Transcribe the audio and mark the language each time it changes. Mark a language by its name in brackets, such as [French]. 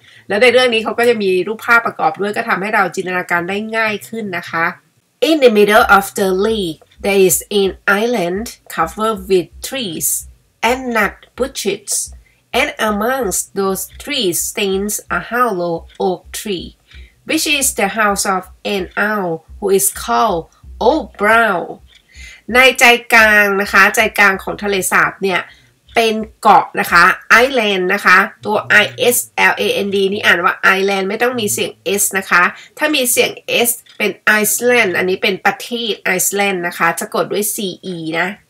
[Thai] แล้วในเรื่องนี้เขาก็จะมีรูปภาพประกอบด้วยก็ทำให้เราจินตนาการได้ง่ายขึ้นนะคะ [English] In the middle of the lake there is an island covered with trees and nut bushes and amongst those trees stands a hollow oak tree which is the house of an owl who is called Old Brown. [Thai] ในใจกลางนะคะใจกลางของทะเลสาบเนี่ยเป็นเกาะนะคะ island นะคะตัว island นี่อ่านว่า island ไม่ต้องมีเสียง s นะคะถ้ามีเสียง s เป็น Iceland อันนี้เป็นประเทศ Iceland นะคะจะกดด้วย ce นะ